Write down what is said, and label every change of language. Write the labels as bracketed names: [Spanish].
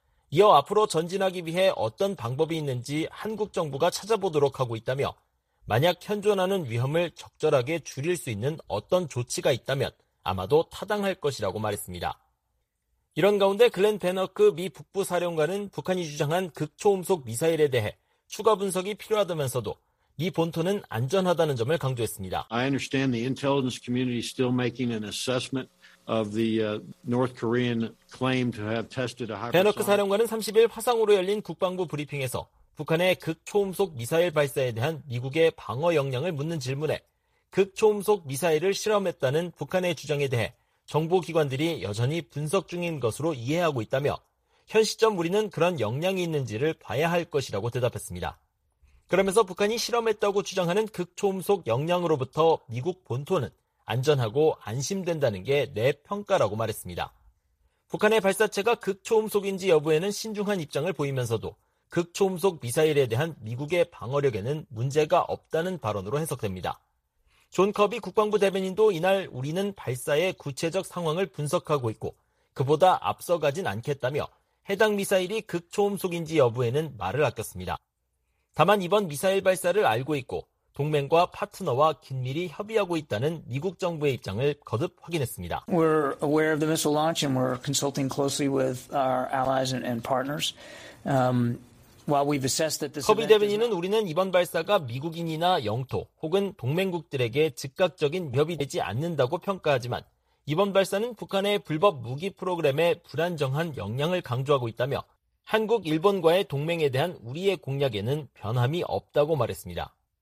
[Korean] 이어 앞으로 전진하기 위해 어떤 방법이 있는지 한국 정부가 찾아보도록 하고 있다며 만약 현존하는 위험을 적절하게 줄일 수 있는 어떤 조치가 있다면 아마도 타당할 것이라고 말했습니다. 이런 가운데 글렌 베너크 미 북부 사령관은 북한이 주장한 극초음속 미사일에 대해 추가 분석이 필요하다면서도 미 본토는 안전하다는 점을 강조했습니다. [English] I understand the intelligence community still making an assessment of the North Korean claim to have tested a hypersonic. [Korean] 베너크 사령관은 30일 화상으로 열린 국방부 브리핑에서 북한의 극초음속 미사일 발사에 대한 미국의 방어 역량을 묻는 질문에 극초음속 미사일을 실험했다는 북한의 주장에 대해 정보기관들이 여전히 분석 중인 것으로 이해하고 있다며 현 시점 우리는 그런 역량이 있는지를 봐야 할 것이라고 대답했습니다. 그러면서 북한이 실험했다고 주장하는 극초음속 역량으로부터 미국 본토는 안전하고 안심된다는 게 내 평가라고 말했습니다. 북한의 발사체가 극초음속인지 여부에는 신중한 입장을 보이면서도 극초음속 미사일에 대한 미국의 방어력에는 문제가 없다는 발언으로 해석됩니다. 존 커비 국방부 대변인도 이날 우리는 발사의 구체적 상황을 분석하고 있고 그보다 앞서가진 않겠다며 해당 미사일이 극초음속인지 여부에는 말을 아꼈습니다. 다만 이번 미사일 발사를 알고 있고 동맹과 파트너와 긴밀히 협의하고 있다는 미국 정부의 입장을 거듭 확인했습니다. [English] We're aware of the missile launch and we're consulting closely with our allies and partners. While we've assessed that this [Korean] 커비 대변인은 우리는 이번 발사가 미국인이나 영토 혹은 동맹국들에게 즉각적인 위협이 되지 않는다고 평가하지만 이번 발사는 북한의 불법 무기 프로그램에 불안정한 영향을 강조하고 있다며 한국, 일본과의 동맹에 대한 우리의 공약에는 변함이 없다고 말했습니다.